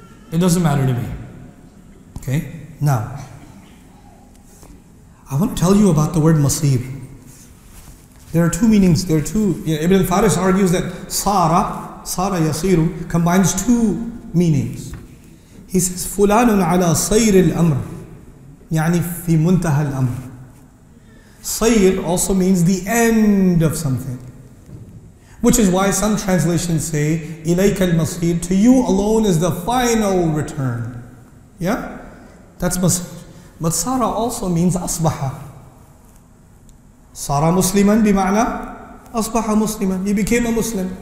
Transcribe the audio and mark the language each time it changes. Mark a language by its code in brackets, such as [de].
[en] It doesn't matter to me. Okay? Now, I want to tell you about the word masib. There are two meanings. There are two. You know, Ibn al-Faris argues that sara yasiru combines two meanings. He says, [ar] فُلَانٌ عَلَى صَيْرِ الْأَمْرِ يعني فِي مُنْتَهَى الْأَمْرِ. [en] صَيْرِ also means the end of something. Which is why some translations say, [ar] إِلَيْكَ الْمَصِيرِ, [en] to you alone is the final return. Yeah? That's masir. But sara also means asbaha. [ar] Sara musliman bima'na asbaha musliman. [en] He became a Muslim.